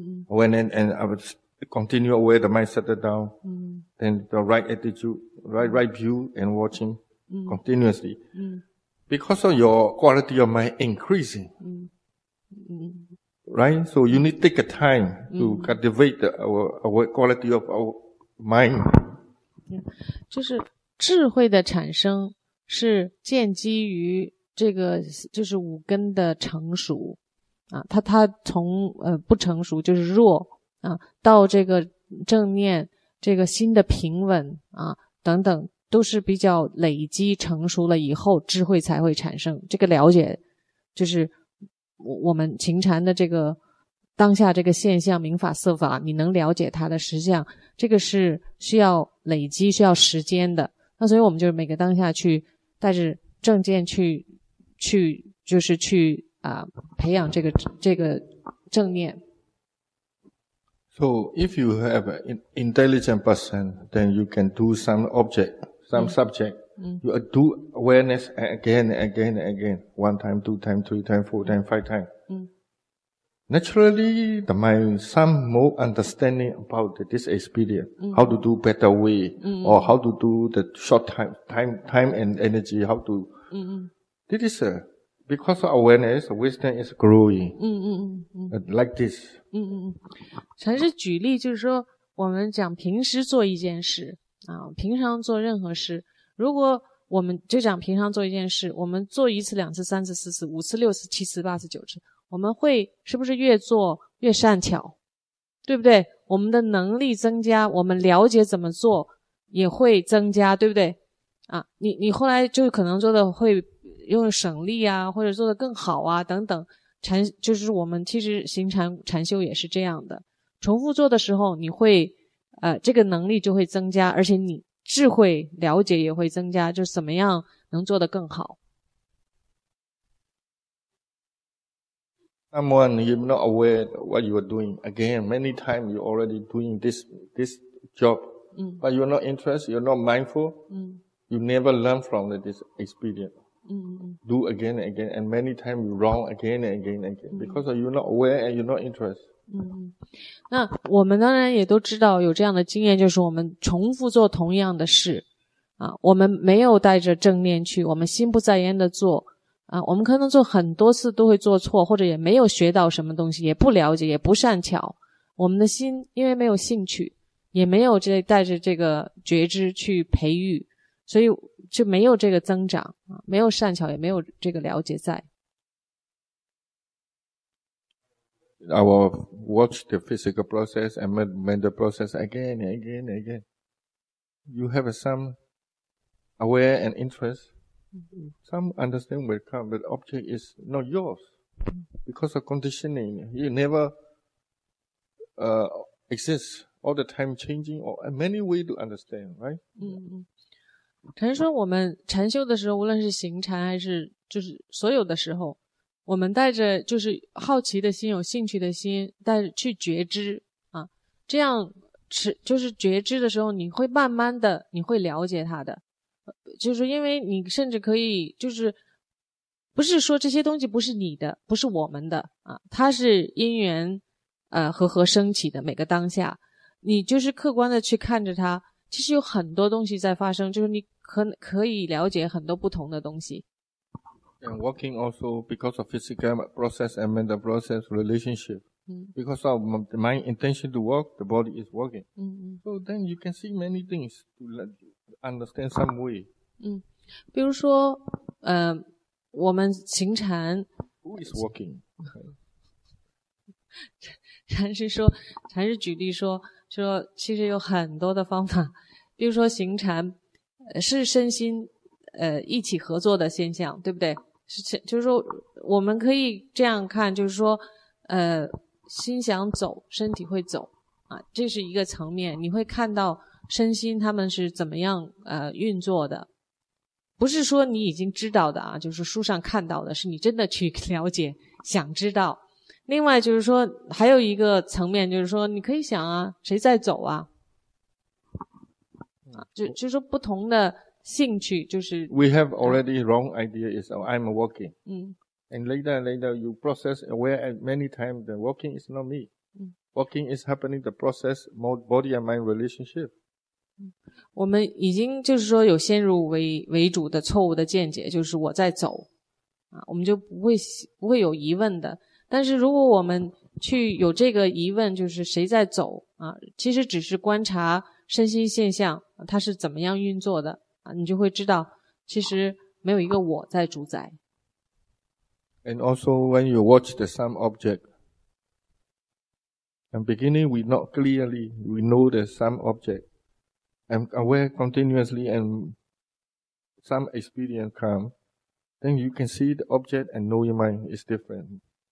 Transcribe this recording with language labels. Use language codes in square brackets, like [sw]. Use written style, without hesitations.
[en] Awareness and continue where the mind settled down, then the right attitude. Right view and watching continuously. Because of your quality of mind increasing. Right? So you need to take a time to cultivate our quality of our mind. Yeah. [zh] 就是智慧的产生是建基于这个就是五根的成熟。啊它从不成熟就是弱啊到这个正念这个心的平稳啊等等都是比较累积成熟了以后智慧才会产生。这个了解就是我们行禅的这个当下这个现象明法色法，你能了解它的实相，这个是需要累积需要时间的。那所以我们就是每个当下去带着正见去就是去培养这个正念。 [en] So if you have an intelligent person, then you can do some object, some subject. You do awareness again and again and again. One time, two time, three time, four time, five time. Naturally, the mind, some more understanding about this experience. How to do better way, or how to do the short time and energy, how to. This is a, because of awareness, wisdom is growing. Like this. [zh] 禅师举例就是说我们讲平时做一件事啊，平常做任何事，如果我们就讲平常做一件事，我们做一次两次三次四次五次六次七次八次九次，我们会是不是越做越善巧，对不对？我们的能力增加，我们了解怎么做也会增加，对不对？啊，你后来就可能做的会用省力啊，或者做的更好啊等等。禅就是我们其实行禅禅修也是这样的，重复做的时候你会这个能力就会增加，而且你智慧了解也会增加，就是怎么样能做得更好。 [en] Someone you're not aware what you are doing again many times, you're already doing this job, but you're not interested, you're not mindful, you never learn from this experienceDo again and again, and many times wrong again and again and again, because you're not aware and you're not interested. [zh] 那我们当然也都知道有这样的经验，就是我们重复做同样的事，啊，我们没有带着正念去，我们心不在焉的做，啊，我们可能做很多次都会做错，或者也没有学到什么东西，也不了解，也不善巧，我们的心因为没有兴趣，也没有这带着这个觉知去培育，所以。就没有这个增长，没有善巧，也没有这个了解在。 [en] I will watch the physical process and mental process again and again and again. You have some aware and interest. Some understanding will come, but object is not yours. Because of conditioning, you never exist all the time changing or many ways to understand, right? Mm-hmm. [zh] 禅师说我们禅修的时候无论是行禅还是就是所有的时候，我们带着就是好奇的心，有兴趣的心，带着去觉知啊，这样就是觉知的时候你会慢慢的你会了解它的，就是因为你甚至可以就是不是说这些东西不是你的不是我们的啊，它是因缘和合升起的每个当下，你就是客观的去看着它，其实有很多东西在发生，就是你可以了解很多不同的东西。 [en] And walking also because of physical process and mental process relationship. Because of my intention to walk, the body is walking. So then you can see many things to understand some way. [zh] 比如说我们行禅。 [en] Who is walking? [zh] 禅师说，禅师举例说，说其实有很多的方法，比如说行禅是身心一起合作的现象，对不对？就是说我们可以这样看，就是说心想走身体会走啊，这是一个层面，你会看到身心他们是怎么样运作的，不是说你已经知道的啊，就是书上看到的，是你真的去了解想知道。另外就是说还有一个层面，就是说你可以想啊，谁在走啊，就是说不同的兴趣，就是 [en] We have already wrong idea is I'm walking. And later you process aware at many times that walking is not me. Walking is happening the process more body and mind relationship. [zh] 我们已经就是说有先入为主的错误的见解，就是我在走啊，我们就不会有疑问的。但是如果我们去有这个疑问，就是谁在走啊，其实只是观察身心现象它是怎么样运作的啊，你就会知道其实没有一个我在主宰。 [en] And also when you watch the some object and beginning we not clearly we know the some object I'm aware continuously and some experience come then you can see the object and know your mind is different.